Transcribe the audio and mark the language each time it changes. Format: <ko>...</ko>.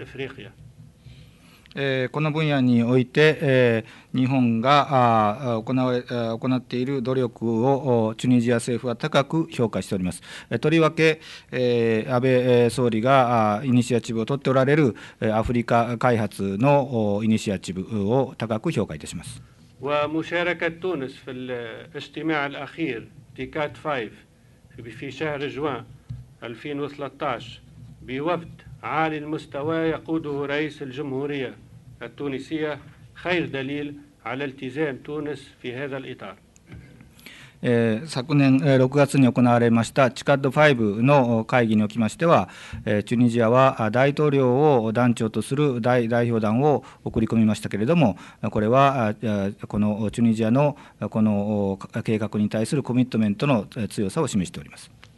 <ja>この分野において日本が行っている努力をチュニジア政府は高く評価しております。とりわけ安倍総理がイニシアチブを取っておられるアフリカ開発のイニシアチブを高く評価いたします。</ja> <ar>ومشاركة تونس في الاجتماع الأخير تيكات 5 في شهر جوان 2013 بوفد عالي المستوى يقوده رئيس الجمهورية التونسية خير دليل على التزام تونس في هذا الإطار。</ar> <ja>昨年6月に行われましたチカッド5の会議におきましては、チュニジアは大統領を団長とする代表団を送り込みましたけれども、これはこのチュニジアのこの計画に対するコミットメントの強さを示しております。</ja>